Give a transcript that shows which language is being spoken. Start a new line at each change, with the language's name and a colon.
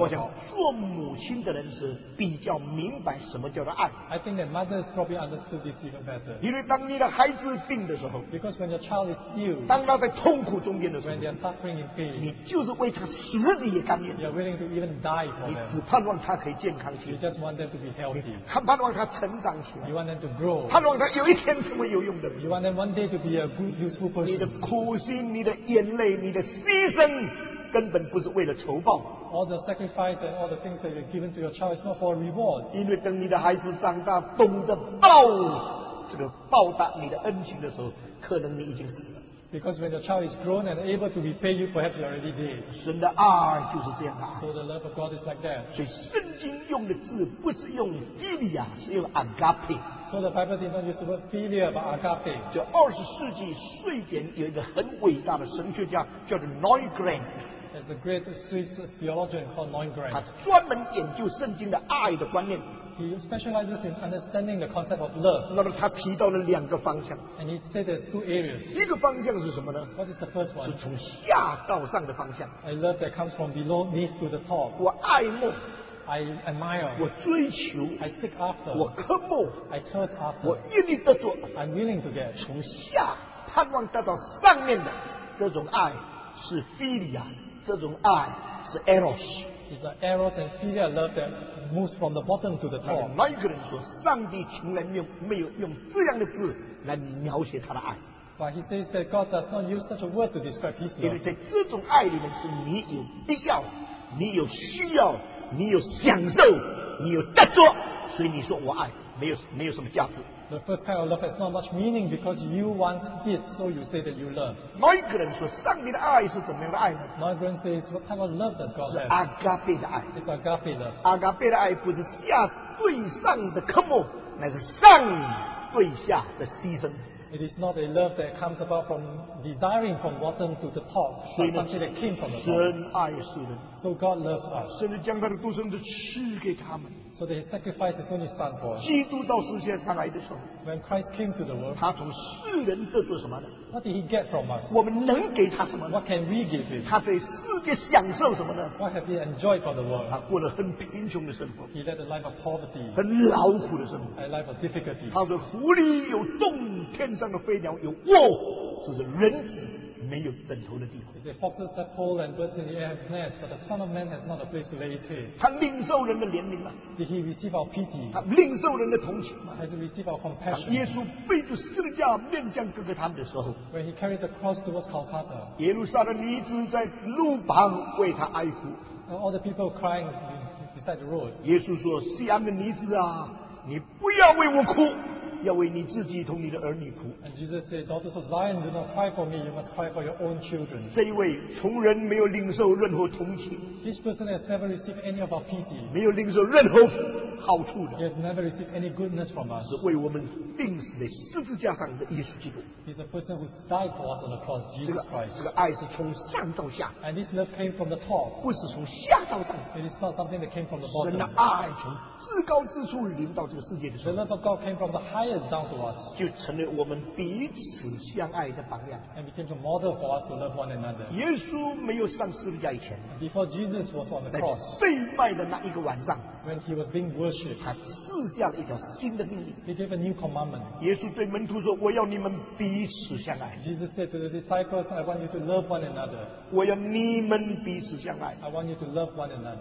Chinese: 我想做母亲的人是比较明白什么叫做爱。
English: I think that mothers probably understood this even better.
Chinese: 因为当你的孩子病的时候。
English: Because when your child is ill.
Chinese: 当他在痛苦中间的时候。
English: When they are suffering in pain.
Chinese: 你就是为他死你也甘愿。
English: You are willing to even die for them.
Chinese: 你只盼望他可以健康起来。
English: You just want them to be healthy.
Chinese: 他盼望他成长起来。
English: You want them to grow.
Chinese: 盼望他有一天成为有用的人。
English: You want them one day to be a good, useful person.
Chinese: 你的苦心你的眼泪，你的牺牲，根本不是为了仇报。
English: All the sacrifice and all the things that you've given to your child is not for reward.
Chinese: 因为等你的孩子长大，懂得报这个报答你的恩情的时候，可能你已经死了。
English: Because when your child is grown and able to repay you, perhaps you already did.
Chinese: 神的爱就是这样啊。
English: So the love of God is like that.
Chinese: 所以圣经用的字不是用 philia， 是用 agape。
English: So the Bible did not use the word philia, but agape.
Chinese: 就二十世纪，瑞典有一个很伟大的神学家叫做 Neugren。
English: There's a great Swiss theologian called Neugren.
Chinese: 他专门研究圣经的爱的观念。
English: He specializes in understanding the concept of love.
Chinese: 那么他提到了两个方向。
English: And he said there's two areas.
Chinese: 一个方向是什么呢
English: ？What is the first one?
Chinese: 是从下到上的方向。
English: A love that comes from below, needs to the top.
Chinese: 我爱慕。
English: I admire.
Chinese: 我追求。
English: I seek after.
Chinese: 我渴慕。
English: I thirst after.
Chinese: 我愿意得着。
English: I'm willing to get.
Chinese: 从下盼望得到上面的这种爱是 philia， 这种爱是 eros。
English: It's an eros and philia love that moves from the bottom to the top.
Chinese: 那一个人说，上帝从来没有用这样的字来描写他的爱。
English: But he says that God does not use such a word to describe his love.
Chinese: 因为在这种爱里面，是你有必要，你有需要，你有享受，你有得着，所以你说我爱，没有什么价值。
English: The first kind of love has not much meaning because you want it, so you say that you love.
Chinese: 哪一个人说上帝的爱是怎么样的爱呢？哪一个人
English: says what type of love does God have?
Chinese: 是 agape 的爱。
English: It's agape love.
Chinese: Agape 的爱不是下对上的渴慕，乃是上对下的牺牲。
English: It is not a love that comes about from desiring from bottom to the top, but something that came from the bottom. So God loves us.
Chinese: 甚至将他的独生子赐给他们。
English: So that he sacrificed his only son for us.
Chinese: 基督到世界上来的时候。
English: When Christ came to the world,
Chinese: 他从世人得着什么呢？
English: What did he get from us?
Chinese: 我们能给他什么呢？
English: What can we give him?
Chinese: 他对世界享受什么呢？
English: What have he enjoyed from the world?
Chinese: 他过了很贫穷的生活。
English: He led a life of poverty.
Chinese: 很劳苦的生活。
English: A life of difficulty.
Chinese: 他说湖里有洞，天上的飞鸟有窝，这是人子没有枕头的地方。
English: He said, foxes have holes and birds in the air have nests, but the Son of Man has not a place to lay his head.
Chinese: 他领受人的怜悯吗？
English: Did he receive our pity?
Chinese: 他领受人的同情吗？
English: Has he received our compassion?
Chinese: 耶稣背着十字架面向各个他们的时候，
English: When he carried the cross towards Calcutta,
Chinese: 耶路撒冷女子在路旁为他哀哭。
English: All the people crying beside the road.
Chinese: 耶稣说，西安的女子啊，你不要为我哭，要为你自己同你的儿女哭。
English: And Jesus said, "Daughters of Zion, do not cry for me; you must cry for your own children."
Chinese: 这一位从人没有领受任何同情。
English: This person has never received any of our pity.
Chinese: 没有领受任何好处的。
English: He has never received any goodness from us.
Chinese: 是为我们钉死在十字架上的耶稣基督。
English: He's a person who died for us on the cross, Jesus Christ.
Chinese: 这个爱是从上到下。
English: And this love came from the top.
Chinese: 不是从下到上。
English: It is not something that came from the bottom.
Chinese: 神的爱从至高之处临到这个世界的时候。
English: The love of God came from the high. Down to us,
Chinese: 就成了我们彼此相爱的榜样。
English: And became a model for us to love one another.
Chinese: 耶稣没有上十字架以前，
English: Before Jesus was on the cross,
Chinese: 在被卖的那一个晚上，
English: When he was being worshipped,
Chinese: 他赐下了一条新的命令。
English: He gave a new commandment.
Chinese: 耶稣对门徒说，我要你们彼此相爱。
English: Jesus said to the disciples, I want you to love one another.
Chinese: 我要你们彼此相爱。
English: I want you to love one another.